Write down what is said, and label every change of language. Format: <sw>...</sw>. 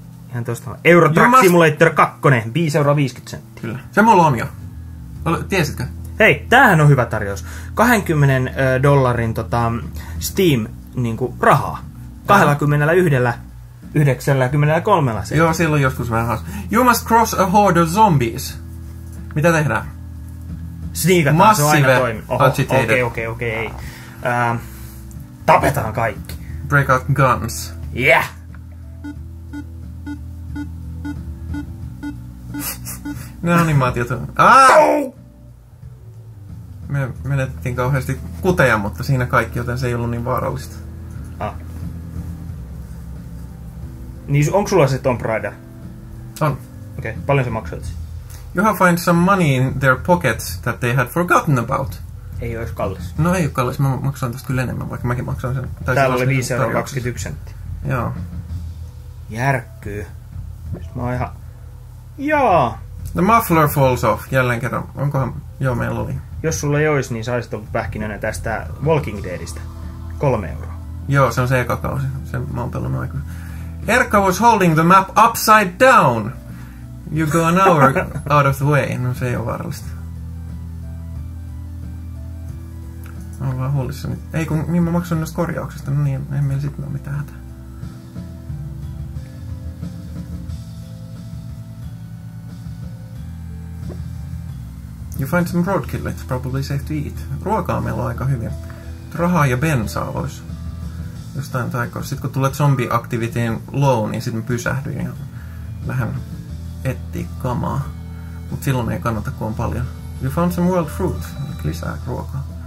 <fi>Ihan tosta vaan. Euro Truck Simulator 2, 5,50 €. Kyllä. Se mulla on jo. Tiesitkö? Hei, tämähän on hyvä tarjous. 20 dollarin tota, Steam niinku, rahaa. 21,93 €. Joo, silloin joskus vähän haas.</fi> <en>You must cross a horde of zombies.</en> <fi>Mitä tehdään? Sniikataan, se on aina toimi. Okei. Tapetaan kaikki.</fi> <en>Break out guns. Yeah!</en> <fi>Ne animaatiot on... Ah! Me menettiin kauheasti kuteja, mutta siinä kaikki, joten se ei ollut niin vaarallista. Ah. Niin, onko sulla se Tomb Raider? On. Okei, okay. Paljon se maksoit?</fi> <en>You have find some money in their pockets that they had forgotten about.</en> <fi>Ei ois kallis. No ei oo kallis, mä maksan tästä kyllä enemmän, vaikka mäkin maksan sen. Täällä oli 5,21 €. Joo. Järkkyy. Mä oon ihan... Jaa!</fi> <en>The muffler falls off,</en> <fi>jälleen kerran. Onkohan... Joo, meillä oli. Jos sulla ei olisi, niin saisit ollut pähkinönä tästä Walking Deadistä. 3 €. Joo, se on se eka kausi. Sen mä oon pelannut aikaa.</fi> <en>Erkka was holding the map upside down. You go an hour out of the way.</en> <fi>No se ei oo vaarallista. Mä oon vaan huolissani. Ei kun, niin mä maksan näistä korjauksista. No niin, ei meillä sitten oo mitään hätää.</fi> <en>You find some roadkill, it's probably safe to eat.</en> <fi>Ruokaa meillä on aika hyvin. Rahaa ja bensaa vois. Jostain taikoa. Sit kun tulee zombie activityin low, niin sit mä pysähdyin ja lähden etsiä kamaa. Mut silloin ei kannata, kun on paljon.</fi> <en>You found some wild fruit,</en> <fi>eli lisää ruokaa.</fi>